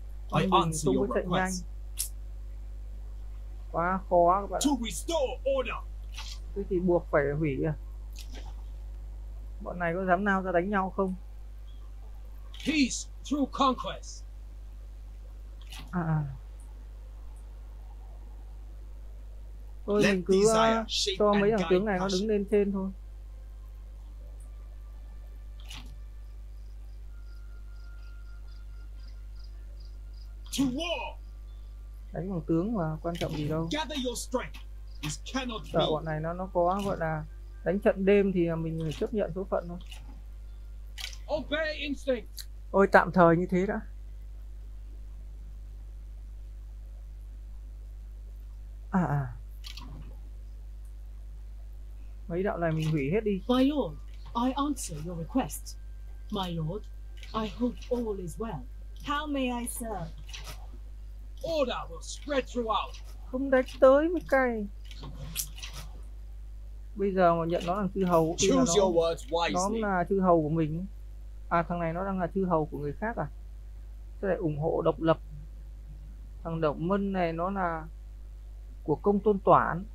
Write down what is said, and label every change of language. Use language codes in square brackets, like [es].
[vi] Quan Bình thì tôi mới chạy nhanh. Quá khó các bạn. [en] To restore order. [vi] Thế thì buộc phải hủy à? Bọn này có dám nào ra đánh nhau không? [en] Peace through conquest. À. [vi] Thôi mình cứ cho mấy thằng tướng này nó đứng lên trên thôi. [en] To war. [vi] Đánh bằng tướng mà quan trọng gì đâu. [en] Gather your strength. This cannot be. [vi] Sợ bọn này nó có gọi là đánh trận đêm thì mình phải chấp nhận số phận thôi. [en] Obey instinct. [vi] Ôi tạm thời như thế đã. À. Mấy đạo này mình hủy hết đi. [en] My lord, I answer your request. My lord, I hope all is well. How may I serve? Order will spread throughout. [vi] Không đánh tới mới cay. Bây giờ mà nhận nó là chư hầu thì nó là chư hầu của mình. À thằng này nó đang là chư hầu của người khác à? Thế lại ủng hộ độc lập. Thằng Độc Mân này nó là của Công Tôn Toản.